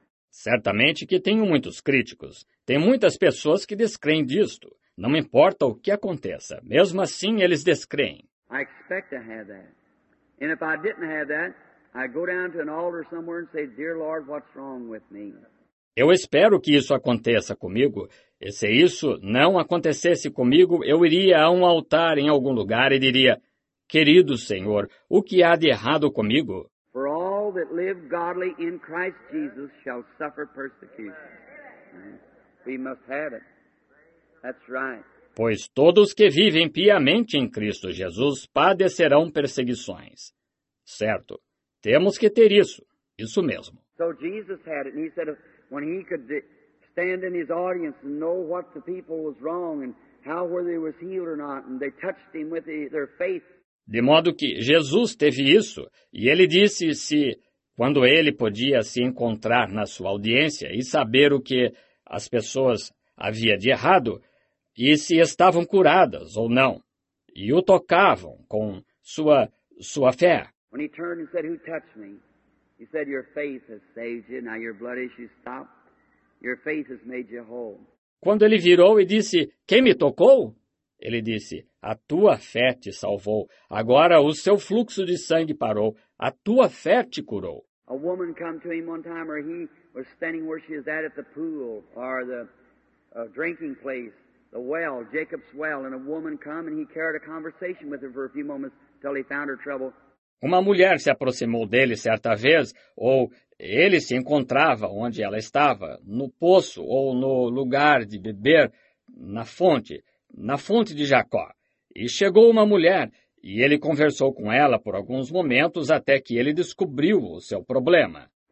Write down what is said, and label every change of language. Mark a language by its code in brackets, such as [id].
[pt] Certamente que tenho muitos críticos. Tem muitas pessoas que descreem disto. Não importa o que aconteça, mesmo assim eles descreem. [en] I expect to have that. And if I didn't have that, I go down to an altar somewhere and say, "Dear Lord, what's wrong with me?" [pt] Eu espero que isso aconteça comigo. E se isso não acontecesse comigo, eu iria a um altar em algum lugar e diria, "Querido Senhor, o que há de errado comigo?" [en] For all that live godly in Christ Jesus shall suffer persecution. We must have it. That's right. [pt] Pois todos que vivem piamente em Cristo Jesus padecerão perseguições. Certo. Temos que ter isso. Isso mesmo. [en] So Jesus had it, and he said when he could stand in his audience and know what the people was wrong and how whether he was healed or not, and they touched him with their faith. [pt] De modo que Jesus teve isso, e ele disse se, quando ele podia se encontrar na sua audiência e saber o que as pessoas havia de errado, e se estavam curadas ou não, e o tocavam com sua fé. [en] When he turned and said, "Who touched me?" He said, "Your faith has saved you. Now your blood issue stopped. Your faith has made you whole." [pt] Quando ele virou e disse, "Quem me tocou?" Ele disse, "A tua fé te salvou. Agora o seu fluxo de sangue parou. A tua fé te curou." [en] A woman came to him one time, or he was standing where she is at the pool, or the drinking place, the well, Jacob's well, and a woman came, and he carried a conversation with her for a few moments until he found her trouble. [pt] Uma mulher se aproximou dele certa vez, ou ele se encontrava onde ela estava, no poço ou no lugar de beber, na fonte de Jacó. E chegou uma mulher, e ele conversou com ela por alguns momentos até que ele descobriu o seu problema.